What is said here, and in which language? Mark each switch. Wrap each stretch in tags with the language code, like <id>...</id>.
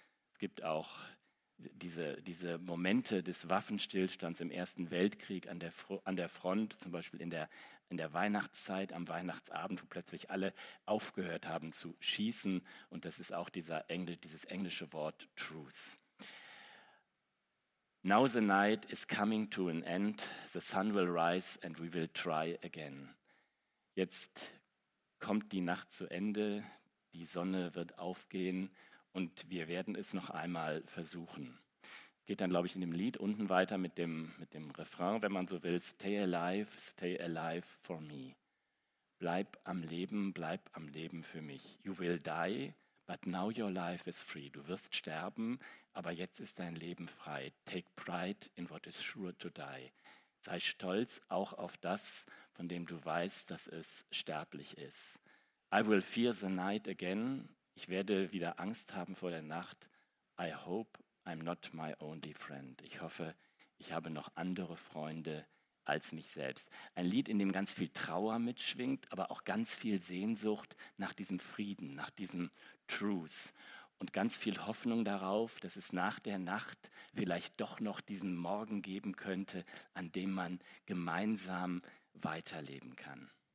<de>Es gibt auch diese Momente des Waffenstillstands im Ersten Weltkrieg an der Front, zum Beispiel in der Weihnachtszeit, am Weihnachtsabend, wo plötzlich alle aufgehört haben zu schießen. Und das ist auch dieses englische Wort Truce.</de> <en>Now the night is coming to an end. The sun will rise and we will try again.</en> <de>Jetzt kommt die Nacht zu Ende, die Sonne wird aufgehen und wir werden es noch einmal versuchen. Geht dann, glaube ich, in dem Lied unten weiter mit dem Refrain, wenn man so will.</de> <en>Stay alive for me.</en> <de>Bleib am Leben für mich.</de> <en>You will die, but now your life is free.</en> <de>Du wirst sterben, aber jetzt ist dein Leben frei.</de> <en>Take pride in what is sure to die.</en> <de>Sei stolz auch auf das, von dem du weißt, dass es sterblich ist.</de> <en>I will fear the night again.</en> <de>Ich werde wieder Angst haben vor der Nacht.</de> <en>I hope I'm not my only friend.</en> <de>Ich hoffe, ich habe noch andere Freunde als mich selbst. Ein Lied, in dem ganz viel Trauer mitschwingt, aber auch ganz viel Sehnsucht nach diesem Frieden, nach diesem Truth. Und ganz viel Hoffnung darauf, dass es nach der Nacht vielleicht doch noch diesen Morgen geben könnte, an dem man gemeinsam weiterleben kann.</de>